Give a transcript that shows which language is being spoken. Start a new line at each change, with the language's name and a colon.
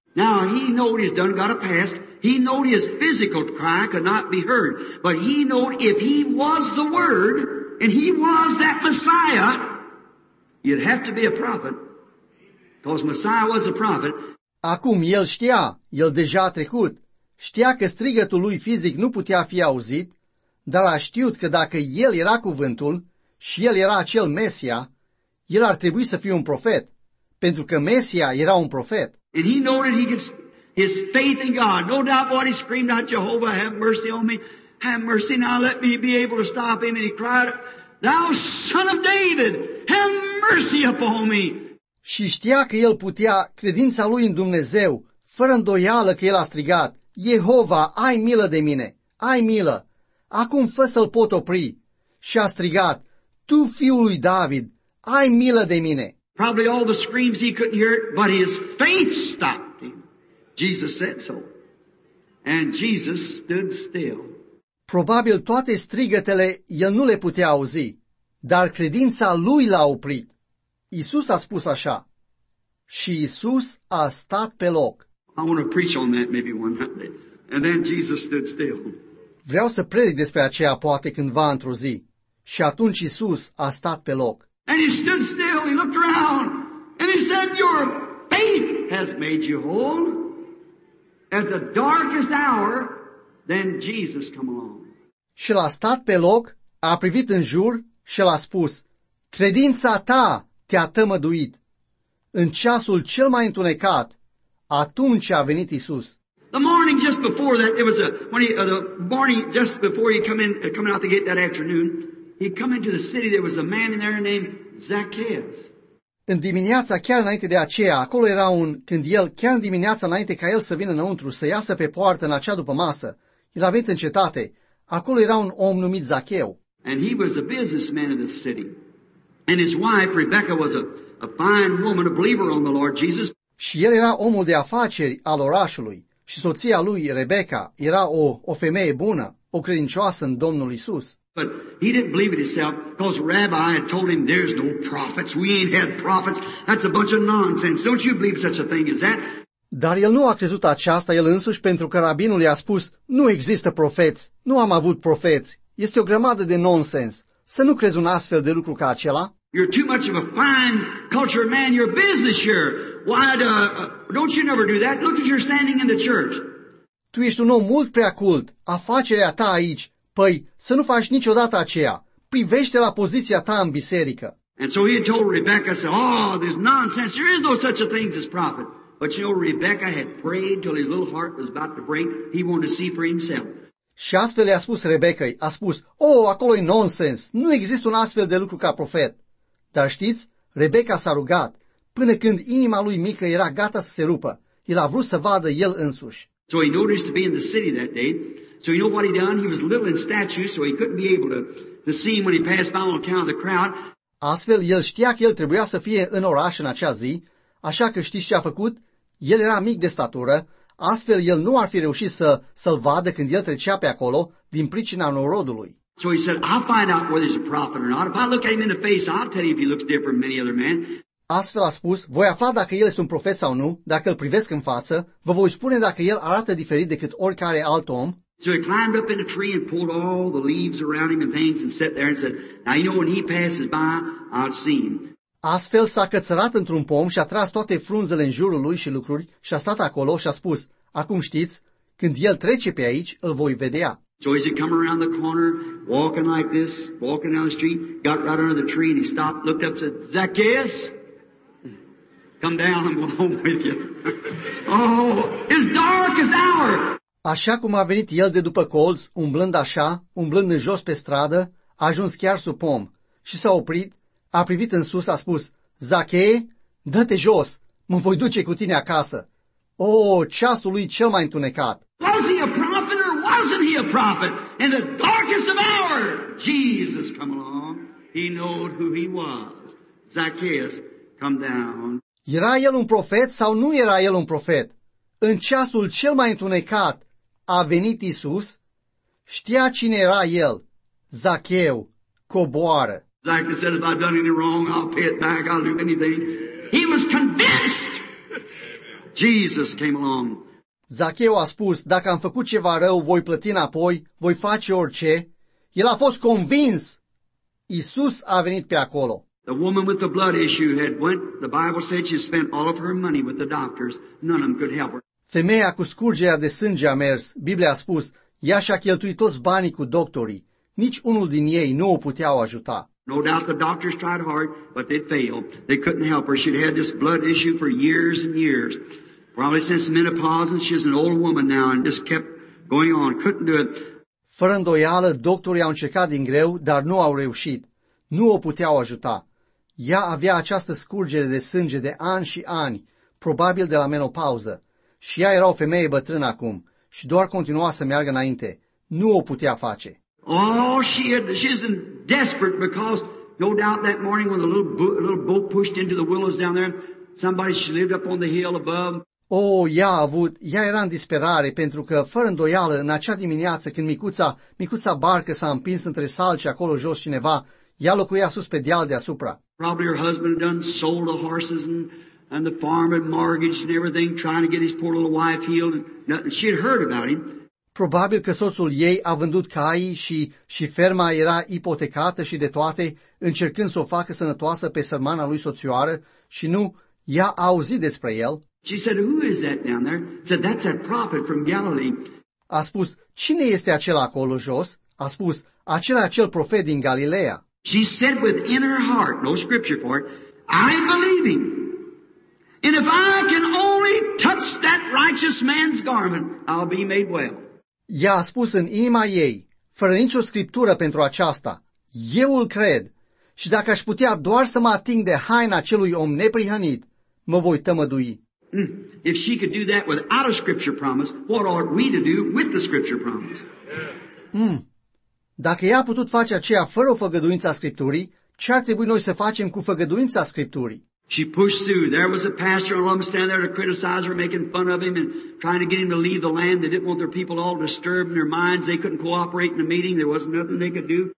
English: Now, he knew he's done got a past. He knew his physical cry could not be heard. But he knew if he was the word, and he was that Messiah, you'd have to be a prophet. Because Messiah was a prophet.
Romanian: Acum el știa, el deja a trecut. Știa că strigătul lui fizic nu putea fi auzit, dar a știut că dacă el era cuvântul și el era acel Mesia, el ar trebui să fie un profet, pentru că Mesia era un profet.
English: And he knew that he could, his faith in God, no doubt what he screamed out, Jehovah, have mercy on me. Have mercy now, let me be able to stop him. And he cried, thou son of David, have mercy upon me.
Romanian: Și știa că el putea, credința lui în Dumnezeu, fără îndoială că el a strigat, Jehova, ai milă de mine, ai milă, acum fă să-l pot opri. Și a strigat, tu fiul lui David, ai milă de mine.
English: Probably all the screams he couldn't hear, but his faith stopped him. Jesus said so. And Jesus stood still.
Romanian: Probabil toate strigătele el nu le putea auzi, dar credința lui l-a oprit. Iisus a spus așa. Și Iisus a stat pe loc.
English: I want to preach on that maybe one day. And then Jesus stood still.
Romanian: Vreau să predic despre aceea poate cândva într-o zi. Și atunci Iisus a stat pe loc.
English: And he stood still, he looked around, and he said, your faith has made you whole. At the darkest hour, then Jesus come along.
Romanian: Și l-a stat pe loc, a privit în jur și l-a spus, credința ta te-a tămăduit. În ceasul cel mai întunecat, atunci a venit Iisus.
English: The morning just before that, it was a, when he, the morning just before he come in, coming out the gate that afternoon, he come into the city, there was a man in there named Zacchaeus.
Romanian: În dimineața, chiar înainte de aceea, acolo era un, când el, chiar în dimineața, înainte ca el să vină înăuntru, să iasă pe poartă în acea după masă, el a venit în cetate, acolo era un om numit Zacheu.
English: And he was a businessman in the city. And his wife, Rebecca, was a fine woman, a believer on the Lord Jesus.
Romanian: Și el era omul de afaceri al orașului. Și soția lui, Rebecca, era o femeie bună, o credincioasă în Domnul Iisus.
English: But he didn't believe it himself because Rabbi had told him there's no prophets, we ain't had prophets, that's a bunch of nonsense, don't you believe such a thing as that?
Romanian: Dar el nu a crezut aceasta el însuși pentru că rabinul i-a spus, nu există profeți, nu am avut profeți, este o grămadă de nonsens, să nu crezi un astfel de lucru ca acela?
English: You're too much of a fine culture man, you're a businessman. Why don't you never do that? Look at your standing in the church.
Romanian: Tu ești un om mult prea cult, afacerea ta aici. Păi, să nu faci niciodată aceea. Privește la poziția ta în biserică.
English: And so he had told Rebecca, said, oh, this nonsense, there is no such a thing as prophet. But you know, Rebecca had prayed till his little heart was about to break, he wanted to see for himself.
Romanian: Și astfel i-a spus Rebecca, a spus, oh, acolo e nonsens, nu există un astfel de lucru ca profet. Dar știți, Rebecca s-a rugat, până când inima lui mică era gata să se rupă, el a vrut să vadă el însuși.
English: So he noticed to be in the city that day. So you know what he done? He was little in stature, so he couldn't be able to see him when he passed by on account of the crowd.
Romanian: Astfel, el știa că el trebuia să fie în oraș în acea zi, așa că știți ce a făcut? El era mic de statură, astfel el nu ar fi reușit să-l vadă când el trecea pe acolo din pricina norodului.
English: So he said, I'll find out whether he's a prophet or not. If I look at him in the face, I'll tell you if he looks different than many other men.
Romanian: Astfel a spus, voi afla dacă el este un profet sau nu, dacă îl privesc în față, vă voi spune dacă el arată diferit decât oricare alt om.
English: So he climbed up in a tree and pulled all the leaves around him and things and sat there and said, now you know when he passes by, I'll see him.
Romanian: Astfel s-a cățărat într-un pom și a tras toate frunzele în jurul lui și lucruri și a stat acolo și a spus, acum știți, când el trece pe aici, îl voi vedea.
English: So he come around the corner, walking like this, walking down the street, got right under the tree and he stopped, looked up and said, Zacchaeus, come down, I'm going home with you. Oh, it's darkest hour.
Romanian: Așa cum a venit el de după colț, umblând așa, umblând în jos pe stradă, a ajuns chiar sub pom și s-a oprit, a privit în sus, a spus, Zachee, dă-te jos, mă voi duce cu tine acasă. O, ceasul lui cel mai întunecat.
English: Was he a prophet or wasn't he a prophet? In the darkest of hour, Jesus come along, he knew who he was. Zacchaeus, come down.
Romanian: Era el un profet sau nu era el un profet? În ceasul cel mai întunecat a venit Iisus, știa cine era el, Zacheu, coboară.
English: Zacheu said, if I've done anything wrong, I'll pay it back, I'll do anything. He was convinced. Jesus came along.
Romanian: Zacheu a spus, dacă am făcut ceva rău, voi plăti înapoi, voi face orice. El a fost convins. Iisus a venit pe acolo.
English: The woman with the blood issue had went, the Bible said she spent all of her money with the doctors, none of them could help her.
Romanian: Femeia cu scurgerea de sânge a mers, Biblia a spus, ea și-a cheltuit toți banii cu doctorii, nici unul din ei nu o puteau ajuta.
English: No doubt the doctors tried hard, but they failed. They couldn't help her. She'd had this blood issue for years and years. Probably since menopause and she's an old woman now and just kept going on, couldn't do it.
Romanian: Fără îndoială, doctorii au încercat din greu, dar nu au reușit. Nu o puteau ajuta. Ea avea această scurgere de sânge de ani și ani, probabil de la menopauză. Și ea era o femeie bătrână acum și doar continua să meargă înainte. Nu o putea face.
English: Oh, she's in desperate because no doubt that morning when the little boat pushed into the willows down there, somebody she lived up on the hill above.
Romanian: Oh, ea era în disperare pentru că, fără îndoială, în acea dimineață când micuța barcă s-a împins între salci acolo jos cineva, ea locuia sus pe deal deasupra.
English: Probably her husband had done sold the horses and the farm and mortgage and everything, trying to get his poor little wife healed. She had heard about him.
Romanian: Probabil că soțul ei a vândut caii și ferma era ipotecată și de toate, încercând să o facă sănătoasă pe sărmana lui soțioară, și nu, Ea a auzit despre el.
English: She said, "Who is that down there?" Said, "That's a prophet from Galilee."
Romanian: A spus, "Cine este acela acolo jos?" A spus, "Acela cel profet din Galileea."
English: She said within her heart, no scripture for it, "I believe him. And if I can only touch that righteous man's garment, I'll be made well."
Romanian: Ea a spus în inima ei, fără nicio scriptură pentru aceasta, "Eu îl cred. Și dacă aș putea doar să mă ating de haina acelui om neprihănit, mă voi tămădui."
English: If she could do that without a scripture promise, what are we to do with the scripture promise?
Romanian: Dacă ea a putut face aceea fără o făgăduință a Scripturii, ce ar trebui noi să facem cu făgăduința Scripturii?
English: She pushed through. There was a pastor alum standing there to criticize her, making fun of him and trying to get him to leave the land. They didn't want their people all disturbed in their minds. They couldn't cooperate in the meeting. There wasn't nothing they could do.